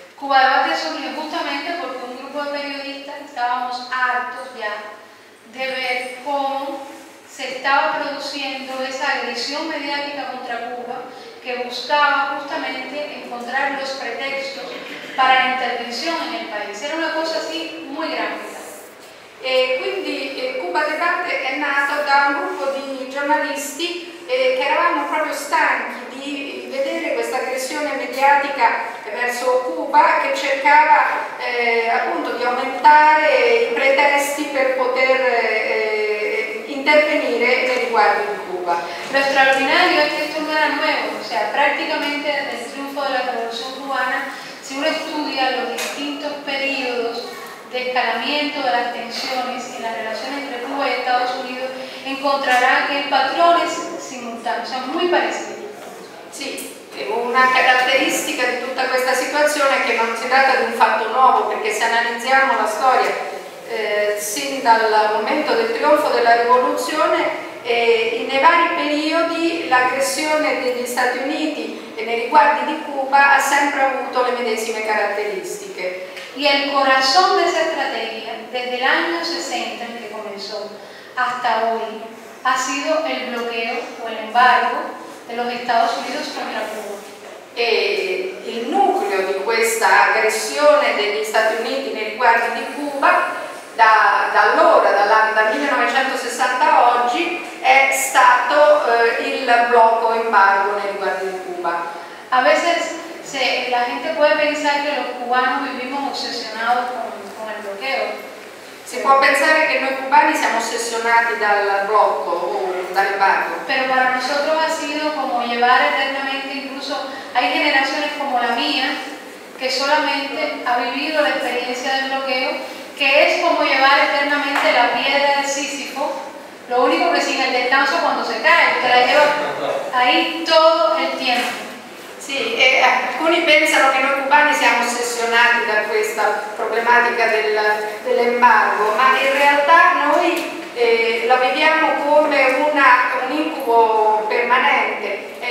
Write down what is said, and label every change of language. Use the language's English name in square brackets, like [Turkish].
[Spanish] Cuba Debate surgió justamente porque un grupo de periodistas estábamos hartos ya de ver cómo se estaba produciendo esa agresión mediática contra Cuba que buscaba justamente encontrar los pretextos para la intervención en el país. Era una cosa así muy grande. [Italian] Quindi Cuba Debate è nato da un gruppo di giornalisti che eravamo proprio stanchi di vedere questa aggressione mediatica verso Cuba che cercava appunto di aumentare i pretesti per poter intervenire nei riguardi di Cuba. Lo straordinario è che questo non era nuovo, praticamente dal trionfo della rivoluzione cubana, se uno studia i distinti periodi [Spanish] del calamiento, de las tensiones y las relaciones entre Cuba y Estados Unidos, encontrará que el patrón es simultáneo, o sea, muy parecido. [Italian] Sí, una característica de tutta questa situazione è che non si tratta di un fatto nuovo, perché se analizziamo la storia sin dal momento del trionfo della rivoluzione, nei vari periodi l'aggressione degli Stati Uniti e nei riguardi di Cuba ha sempre avuto le medesime caratteristiche. [Spanish] Y el corazón de esa estrategia, desde el año 60 en que comenzó hasta hoy, ha sido el bloqueo o el embargo de los Estados Unidos contra Cuba. [Italian] E il nucleo di questa aggressione degli Stati Uniti nei riguardi di Cuba, da 1960 a oggi, è stato il blocco o embargo nei riguardi di Cuba. [Spanish] A veces la gente puede pensar que los cubanos vivimos obsesionados con el bloqueo. [Italian] Si può pensare che noi cubani siamo ossessionati dal blocco o dall'embargo. [Spanish] Pero para nosotros ha sido como llevar eternamente, incluso hay generaciones como la mía, que solamente ha vivido la experiencia del bloqueo, que es como llevar eternamente la piedra de Sísifo, lo único que sin el descanso cuando se cae, te la lleva ahí todo el tiempo. [Italian] Sì, e alcuni pensano che noi cubani siamo ossessionati da questa problematica dell'embargo, ma in realtà noi la viviamo come un incubo permanente.